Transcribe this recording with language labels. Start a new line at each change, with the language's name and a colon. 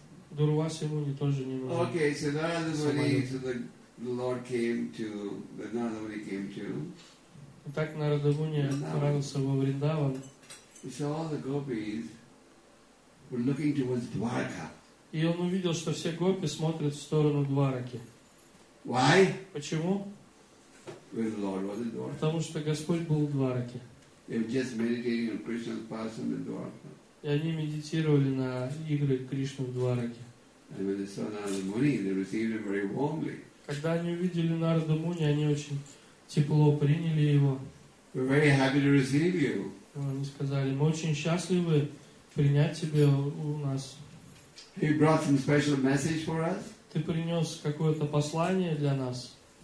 Russian: Дурваса Муни тоже не нужен.
English: Okay, so Nārada Muni, the Lord came to, the Nārada Muni came to.
Russian: Итак, Нарада Муни отправился во Вриндаван.
English: So all the gopis were looking towards Dwarka.
Russian: И он увидел, что все гопи смотрят в сторону Двараки.
English: Why?
Russian: Почему?
English: Where the Lord was in Dwarka.
Russian: Потому что Господь был в Двараке.
English: They were just meditating on Krishna's pastime in Dwarka.
Russian: И они медитировали на игры Кришны в Двараке.
English: And when they saw Nārada Muni, they received him very warmly.
Russian: Когда они увидели Нарада Муни, они очень тепло приняли его.
English: We're very happy to receive you.
Russian: Они сказали, мы очень счастливы принять тебя у нас.
English: He brought some special message for us.
Russian: Ты принес какое-то послание для нас.